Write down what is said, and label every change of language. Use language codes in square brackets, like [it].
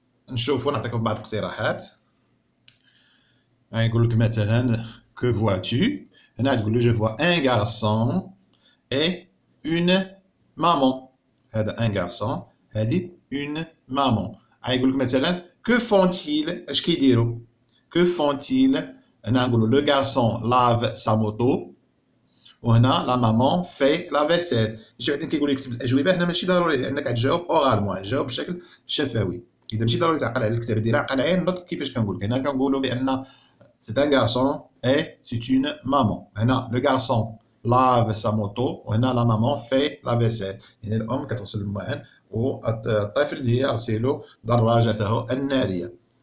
[ar] نشوفوا، نعطيكم بعض الاقتراحات. يعني يقول لك مثلا كو فوا تو، هنا تقول له جو فوا ان غارسون اي اون maman، هذا [fr] un garçon، [ar] هذه [fr] une maman. [ar] غايقول لك مثلا [fr] que font-ils، [ar] اش كيديروا؟ que font-ils، هنا نقولوا [fr] le garçon lave sa moto، [ar] وهنا [fr] la maman fait la vaisselle. [ar] شي واحد كيقول لك الاجوبه، هنا ماشي ضروري انك تجاوب اورالمون، جاوب بشكل شفوي. اذا ماشي ضروري تعقل على الكتابه ديالها، عقل على النطق. كيفاش كنقول؟ هنا كنقولوا بان [fr] c'est un garçon et c'est une maman، [ar] هنا [fr] le garçon lave sa moto، [ar] وهنا [fr] la maman fait la vaisselle، [ar] يعني الام كتغسل الموان والطفل اللي يغسل دراجته الناريه.